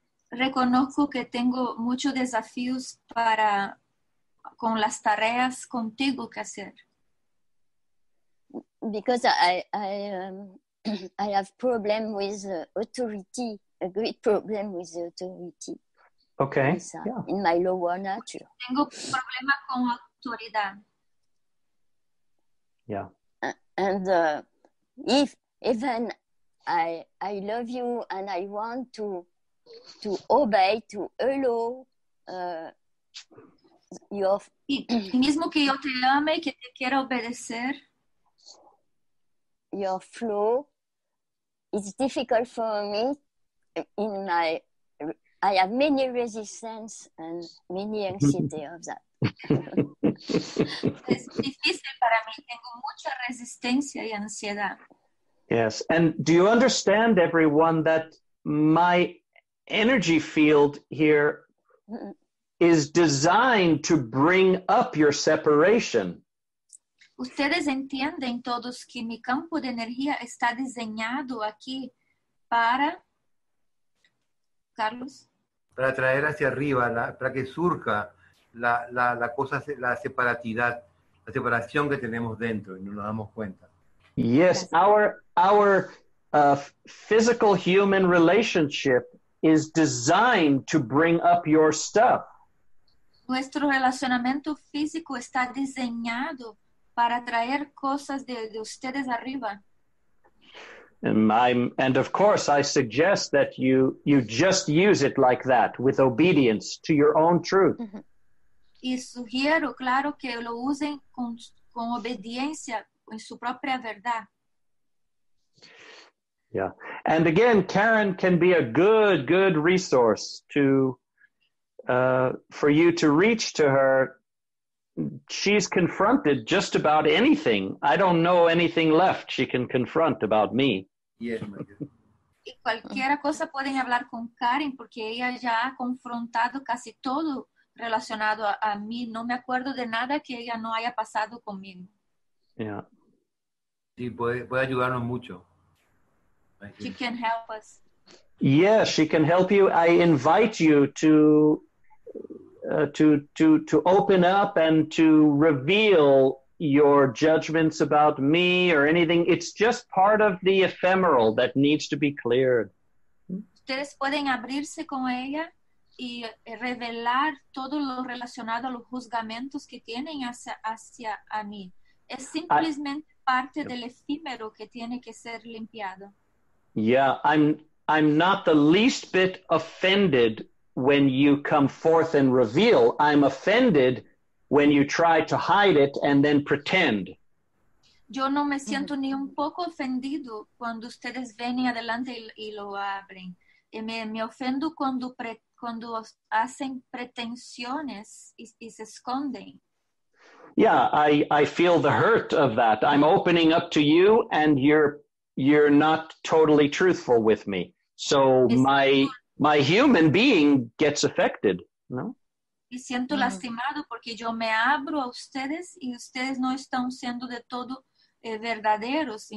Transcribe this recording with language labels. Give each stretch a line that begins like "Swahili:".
Spanish: Reconozco que tengo muchos desafíos para con las tareas contigo que hacer.
English: Because I have problem with authority, a great problem with authority. Okay. In my lower nature.
Spanish: Tengo problema con autoridad.
English: Yeah. If I love you and I want to obey, to allow your...
Spanish: Mismo que yo te ame, que te quiero obedecer.
English: Your flow. It's difficult for me in my... I have many resistance and many anxiety of that.
Spanish: Es difícil para mí. Tengo mucha resistencia y ansiedad.
English: Yes, and do you understand, everyone, that my energy field here is designed to bring up your separation?
Spanish: Ustedes entienden todos que mi campo de energía está diseñado aquí para, Carlos? Para traer hacia arriba, para que surja la cosa, la separatidad, la separación que tenemos dentro y no nos damos cuenta.
English: Yes, our physical human relationship is designed to bring up your stuff.
Spanish: Nuestro relacionamiento físico está diseñado para traer cosas de ustedes arriba.
English: And of course, I suggest that you just use it like that, with obedience to your own truth.
Spanish: Y sugiero, claro, que lo usen con obediencia. En su propia verdad.
English: Yeah. And again, Karen can be a good resource to for you to reach to her. She's confronted just about anything. I don't know anything left she can confront about me. Yes,
Spanish: y cualquier cosa pueden hablar con Karen porque ella ya ha confrontado casi todo relacionado a mí. No me acuerdo de nada que ella no haya pasado conmigo.
English: Yeah.
Spanish: Sí, puede ayudarnos mucho.
English: She can help us. Yes, she can help you. I invite you to open up and to reveal your judgments about me or anything. It's just part of the ephemeral that needs to be cleared.
Spanish: Ustedes pueden abrirse con ella y revelar todo lo relacionado a los juzgamentos que tienen hacia a mí. Es simplemente parte del efímero que tiene que ser limpiado.
English: Yeah, I'm not the least bit offended when you come forth and reveal. I'm offended when you try to hide it and then pretend.
Spanish: Yo no me siento ni un poco ofendido cuando ustedes vienen adelante y lo abren. Me ofendo cuando hacen pretensiones y se esconden.
English: Yeah, I feel the hurt of that. I'm opening up to you and you're not totally truthful with me. So my human being gets affected, no?
Spanish: Me siento lastimado porque yo me abro a ustedes y ustedes no están siendo de todo verdaderos.